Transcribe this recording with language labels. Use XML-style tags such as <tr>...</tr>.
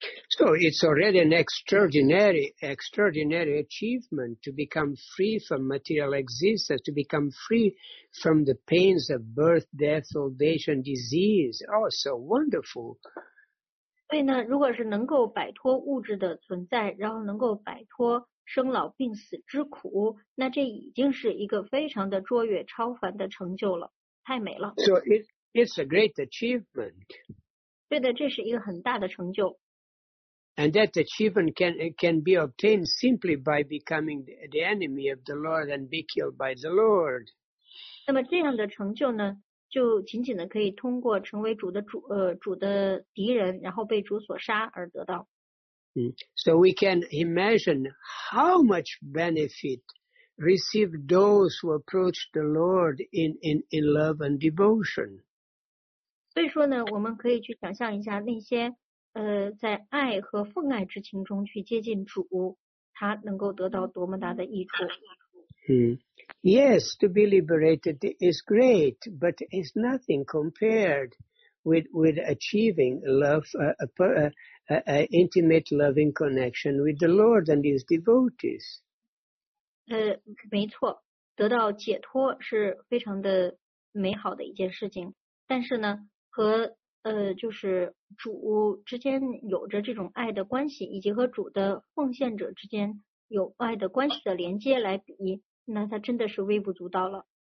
<en>So it's already an extraordinary achievement to become free from material existence, to become free from the pains of birth, death, old age, and disease. Oh, so wonderful.</en> <zh>所以呢，如果是能够摆脱物质的存在，然后能够摆脱生老病死之苦，那这已经是一个非常的卓越超凡的成就了，太美了。</zh> <en>So it's a great achievement.</en> <zh>对的，这是一个很大的成就。</zh> <en>And that achievement can be obtained simply by becoming the enemy of the Lord and be killed by the Lord.</en> <zh>那么这样的成就呢，就仅仅的可以通过成为主的敌人，然后被主所杀而得到。</zh> <en>So we can imagine how much benefit receive those who approach the Lord in love and devotion.</en> <zh>所以说呢，我们可以去想象一下那些在爱和奉爱之情中去接近主，他能够得到多么大的益处。</zh> <en>Yes, to be liberated is great, but it's nothing compared with achieving love, a intimate loving connection with the Lord and His devotees.</en> <zh>没错，得到解脱是非常的美好的一件事情，但是呢，和就是主之间有着这种爱的关系，以及和主的奉献者之间有爱的关系的连接来比，那它真的是微不足道了。</zh>